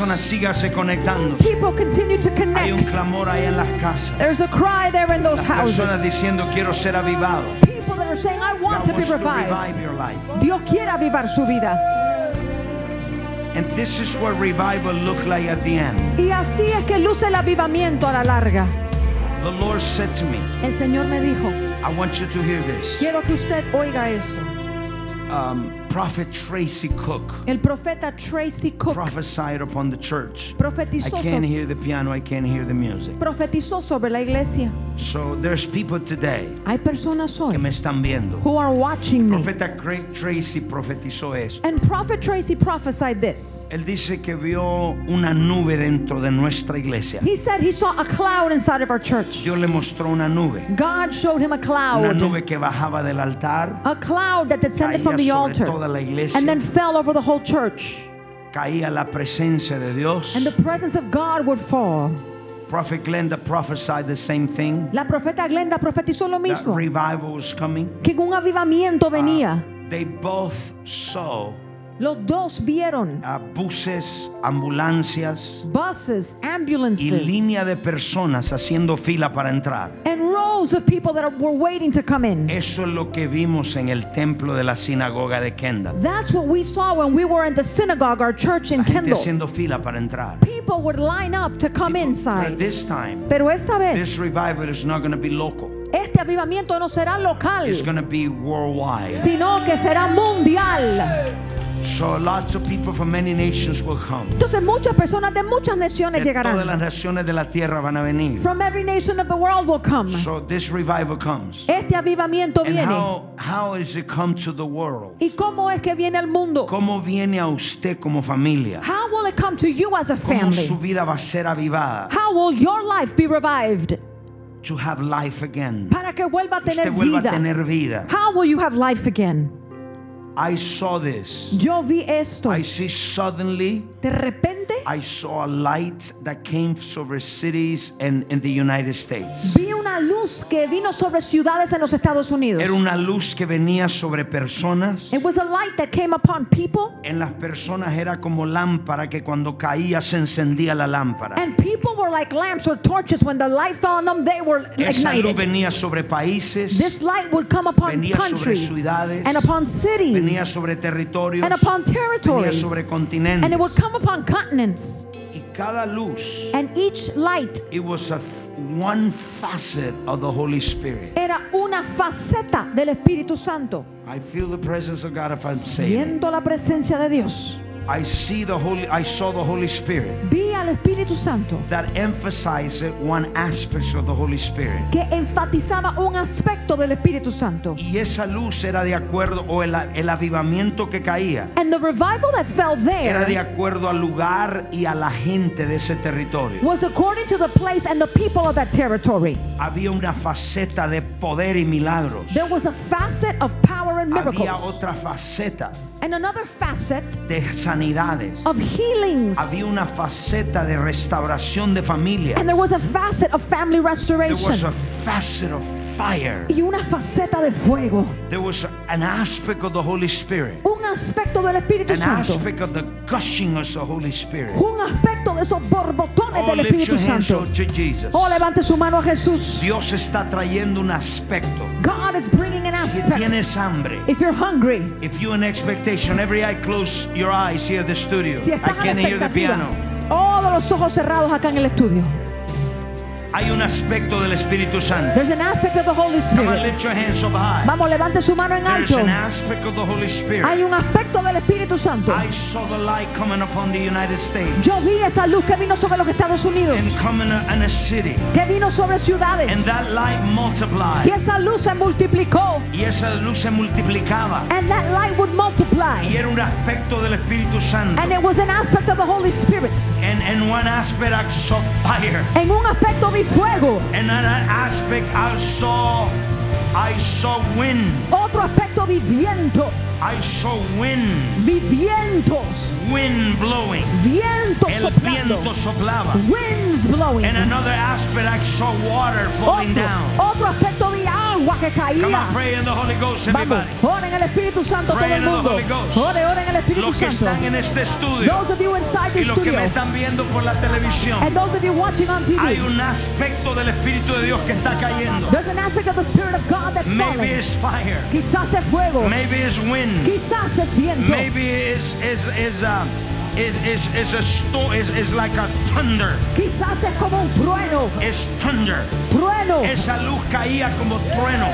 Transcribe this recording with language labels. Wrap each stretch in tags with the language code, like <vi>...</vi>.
<es>La persona sígase conectando.</es> <en>People continue to connect.</en> <es>Hay un clamor allá en las casas.</es> <en>There's a cry there in those</en> <es>las</es> <en>houses.</en> <es>Personas diciendo quiero ser avivado.</es> <en>People that are saying I want God to be revived. To revive your life.</en> <es>Dios quiere avivar su vida.</es> <en>And this is what revival looks like at the end.</en> <es>Y así es que luce el avivamiento a la larga.</es> <en>The Lord said to me.</en> <es>El Señor me dijo.</es> <en>I want you to hear this.</en> <es>Quiero que usted oiga esto.</es> <en>Prophet Tracy Cook.</en> <es>El profeta Tracy Cook.</es> <en>Prophesied upon the church.</en> <es>Profetizó.</es> <en>I can't hear the piano. I can't hear the music.</en> <es>Profetizó sobre la iglesia.</es> <en>So there's people today.</en> <es>Hay personas hoy que me están viendo.</es> <en>Who are watching me?</en> <es>Profeta Tracy profetizó esto.</es> <en>And Prophet Tracy prophesied this.</en> <es>Él dice que vio una nube dentro de nuestra iglesia.</es> <en>He said he saw a cloud inside of our church.</en> <es>Dios le mostró una nube.</es> <en>God showed him a cloud.</en> <es>Una nube que bajaba del altar.</es> <en>A cloud that descended from the altar.</en> <es>Toda la iglesia.</es> <en>And then fell over the whole church.</en> <es>Caía la presencia de Dios.</es> <en>And the presence of God would fall. Prophet Glenda prophesied the same thing.</en> <es>La profeta Glenda profetizó lo mismo.</es> <en>That revival was coming.</en> <es>Que un avivamiento venía.</es> <en>They both saw.</en> <es>Los dos vieron. Buses, ambulancias.</es> <en>Buses, ambulances.</en> <es>Y línea de personas haciendo fila para entrar.</es> <en>And rows of people that were waiting to come in.</en> <es>Eso es lo que vimos en el templo de la sinagoga de Kendall.</es> <en>That's what we saw when we were in the synagogue, our church in Kendall.</en> <es>La gente haciendo fila para entrar.</es> <en>People would line up to come people, inside. But this time.</en> <es>Pero esta vez.</es> <en>This revival is not going to be local.</en> <es>Este avivamiento no será local.</es> <en>It's going to be worldwide.</en> <es>Sino que será mundial.</es> <en>So lots of people from many nations will come.</en> <es>Entonces muchas personas de muchas naciones llegarán. De todas las naciones de la tierra van a venir.</es> <en>From every nation of the world will come. So this revival comes.</en> <es>Este avivamiento viene.</es> <en>And how is it come to the world?</en> <es>¿Y cómo es que viene al mundo? ¿Cómo viene a usted como familia?</es> <en>How will it come to you as a family?</en> <es>¿Cómo su vida va a ser avivada?</es> <en>How will your life be revived? To have life again.</en> <es>Para que vuelva a tener usted vuelva vida. A tener vida.</es> <en>How will you have life again? I saw this.</en> <es>Yo vi esto.</es> <en>I see suddenly.</en> <es>De repente.</es> <en>I saw a light that came over cities and in the United States.</en> <es>Vi una luz que vino sobre ciudades en los Estados Unidos. Era una luz que venía sobre personas.</es> <en>It was a light that came upon people.</en> <es>En las personas era como lámpara que cuando caía se encendía la lámpara.</es> <en>And people were like lamps or torches when the light fell on them they were ignited.</en> <es>Esa luz venía sobre países.</es> <en>This light would come upon</en> <es>venía</es> <en>countries.</en> <es>Sobre ciudades.</es> <en>And upon cities.</en> <es>Venía sobre territorios.</es> <en>And upon territories.</en> <es>Venía sobre continentes.</es> <en>And it would come upon continents.</en> <es>Y cada luz.</es> <en>And each light. It was one facet of the Holy Spirit.</en> <es>Era una faceta del Espíritu Santo.</es> <en>I feel the presence of God if I'm saved.</en> <es>Siento la presencia de Dios.</es> <en>I see the Holy. I saw the Holy Spirit.</en> <es>Vi al Espíritu Santo.</es> <en>That emphasized one aspect of the Holy Spirit.</en> <es>Que enfatizaba un aspecto del Espíritu Santo. Y esa luz era de acuerdo o el avivamiento que caía.</es> <en>And the revival that fell there.</en> <es>Era de acuerdo al lugar y a la gente de ese territorio.</es> <en>Was according to the place and the people of that territory.</en> <es>Había una faceta de poder y milagros.</es> <en>There was a facet of power and miracles.</en> <es>Había otra faceta.</es> <en>And another facet</en> <es>de sanidades.</es> <en>Of healings.</en> <es>Había una faceta de restauración de familias.</es> <en>And there was a facet of family restoration. There was a facet of fire.</en> <es>Y una faceta de fuego.</es> <en>There was an aspect of the Holy Spirit.</en> <es>Un aspecto del Espíritu</es> <en>Santo. An aspect of the gushing of the Holy Spirit.</en> <es>Un aspecto de esos borbotones del Espíritu Santo.</es> <en>Oh, lift your hands up to Jesus.</en> <es>Oh, levante su mano a Jesús. Dios está trayendo un aspecto.</es> <en>God is bringing an aspect.</en> <es>Si tienes hambre.</es> <en>If you're hungry. If you're in expectation. Every eye close your eyes here at the studio.</en> <es>Si estás</es> <en>I can't hear the piano.</en> <es>Todos los ojos cerrados acá en el estudio. Hay un aspecto del Espíritu Santo.</es> <en>There's an aspect of the Holy Spirit. Come on, lift your hands up high.</en> <es>Vamos, levante su mano en alto.</es> <en>There's an aspect of the Holy Spirit.</en> <es>Hay un aspecto del Espíritu Santo.</es> <en>I saw the light coming upon the United States.</en> <es>Yo vi esa luz que vino sobre los Estados Unidos.</es> <en>And coming in a city.</en> <es>Que vino sobre ciudades.</es> <en>And that light multiplied.</en> <es>Y esa luz se multiplicó. Y esa luz se multiplicaba.</es> <en>And that light would multiply.</en> <es>Y era un aspecto del Espíritu Santo.</es> <en>And it was an aspect of the Holy Spirit. And one aspect I saw fire.</en> <es>En un aspecto</es> <en>And an aspect I saw I saw wind.</en> <es>Otro aspecto, vi viento.</es> <en>I saw wind.</en> <es>Vi vientos.</es> <en>Wind blowing.</en> <es>Viento el soplando. Viento soplaba.</es> <en>Winds blowing. In another aspect, I saw water falling</en> <es>otro,</es> <en>down.</en> <es>Otro aspecto, vi agua que caía.</es> <en>Come on, pray in the Holy Ghost, everybody.</en> <es>Vamos, ore en el Espíritu Santo,</es> <en>pray</en> <es>todo el mundo. Ore, ore en el Espíritu los Santo. Que están en este estudio.</es> <en>Those of you inside</en> <es>y los que me están viendo por la televisión.</es> <en>And those of you watching on TV.</en> <es>Hay un aspecto del Espíritu de Dios que está cayendo.</es> <en>There's an aspect of the Spirit of God that's maybe falling. Maybe it's fire.</en> <es>Quizás es fuego.</es> <en>Maybe it's wind.</en> <es>Quizás es viento.</es> <en>Maybe it's like a thunder.</en> <es>Quizás es como un trueno.</es> <en>It's thunder.</en> <es>Trueno. Esa luz caía como trueno.</es>